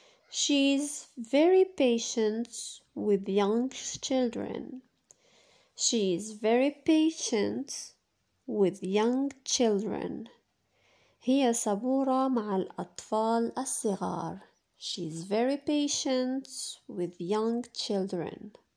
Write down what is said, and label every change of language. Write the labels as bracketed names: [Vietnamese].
[English] She's very patient with young children. She's very patient with young children. [Arabic] هي صبورة مع الأطفال الصغار. [English] She's very patient with young children.